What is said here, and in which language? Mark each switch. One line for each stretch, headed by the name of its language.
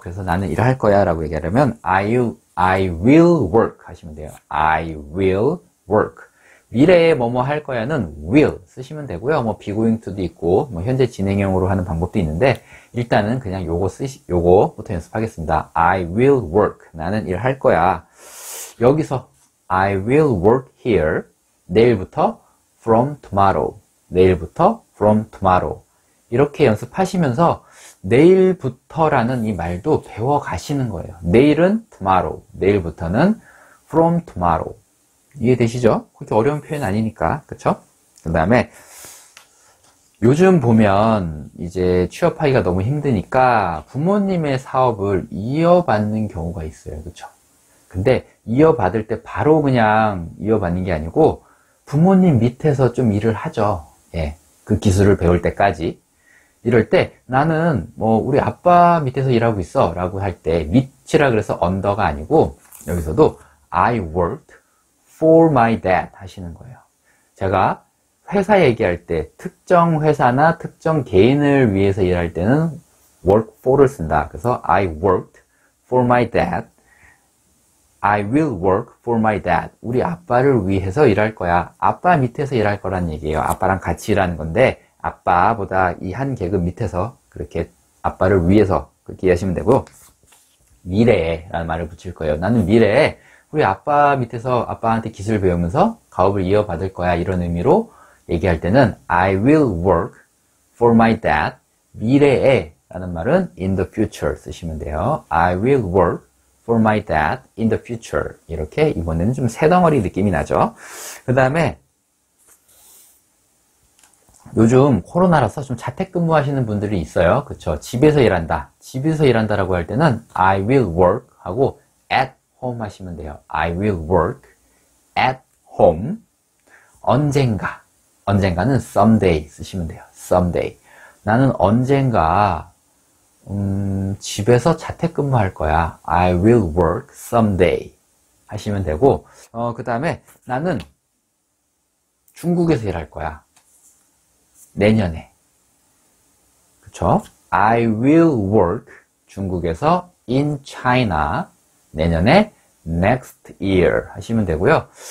Korean: 그래서 나는 일을 할 거야라고 얘기하려면
English: I will work
Korean: 하시면 돼요.
English: I will work.
Korean: 미래에 뭐뭐 할 거야는 will 쓰시면 되고요. 뭐
English: be going to
Korean: 도 있고 뭐 현재 진행형으로 하는 방법도 있는데 일단은 그냥 요거부터 연습하겠습니다.
English: I will work.
Korean: 나는 일을 할 거야.
English: 여기서 I will work here.
Korean: 내일부터
English: from tomorrow.
Korean: 내일부터
English: from tomorrow.
Korean: 이렇게 연습하시면서 내일부터라는 이 말도 배워 가시는 거예요. 내일은 tomorrow. 내일부터는
English: from tomorrow.
Korean: 이해되시죠? 그렇게 어려운 표현 아니니까. 그쵸? 그 다음에 요즘 보면 이제 취업하기가 너무 힘드니까 부모님의 사업을 이어받는 경우가 있어요. 그쵸? 근데 이어받을 때 바로 그냥 이어받는 게 아니고 부모님 밑에서 좀 일을 하죠. 예. 그 기술을 배울 때까지. 이럴 때 나는 뭐 우리 아빠 밑에서 일하고 있어 라고 할때 밑이라 그래서 언더가 아니고 여기서도
English: I worked for my dad
Korean: 하시는 거예요. 제가 회사 얘기할 때 특정 회사나 특정 개인을 위해서 일할 때는 work for를 쓴다. 그래서
English: I worked for my dad. I will work for my dad.
Korean: 우리 아빠를 위해서 일할 거야. 아빠 밑에서 일할 거란 얘기예요. 아빠랑 같이 일하는 건데 아빠보다 이한 계급 밑에서 그렇게 아빠를 위해서 그렇게 이해하시면 되고 미래에 라는 말을 붙일 거예요. 나는 미래에 우리 아빠 밑에서 아빠한테 기술 배우면서 가업을 이어받을 거야. 이런 의미로 얘기할 때는
English: I will work for my dad.
Korean: 미래에 라는 말은
English: in the future
Korean: 쓰시면 돼요.
English: I will work for my dad in the future.
Korean: 이렇게 이번에는 좀새 덩어리 느낌이 나죠. 그 다음에 요즘 코로나라서 좀 자택근무 하시는 분들이 있어요. 그쵸? 집에서 일한다. 집에서 일한다라고 할 때는
English: I will work
Korean: 하고
English: at home
Korean: 하시면 돼요.
English: I will work at home.
Korean: 언젠가. 언젠가는 someday 쓰시면 돼요.
English: someday.
Korean: 나는 언젠가 집에서 자택근무할 거야.
English: I will work someday
Korean: 하시면 되고, 그 다음에 나는 중국에서 일할 거야. 내년에. 그쵸?
English: I will work
Korean: 중국에서
English: in China
Korean: 내년에
English: next year
Korean: 하시면 되고요.